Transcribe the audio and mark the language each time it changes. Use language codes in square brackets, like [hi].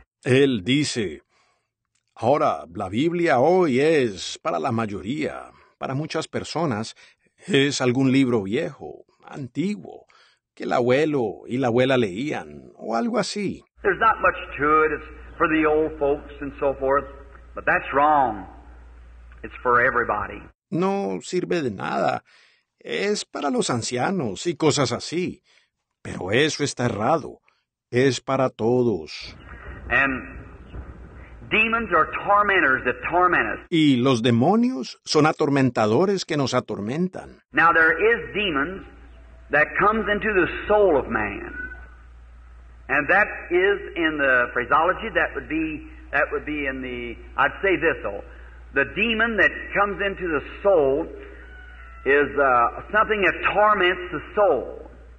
[es] Él dice, ahora la Biblia hoy es para la mayoría, para muchas personas, es algún libro viejo, antiguo, que el abuelo y la abuela leían, o algo así. [en] There's not much to it. It's for the old folks and so forth, but that's wrong. It's for everybody. [es] No sirve de nada. Es para los ancianos y cosas así. Pero eso está errado. Es para todos. [en] And demons are tormentors that torment us. [es] Y los demonios son atormentadores que nos atormentan. [en] Now there is demons that comes into the soul of man. And that is in the phraseology, that would be in the, I'd say this though, the demon that comes into the soul is something that torments the soul.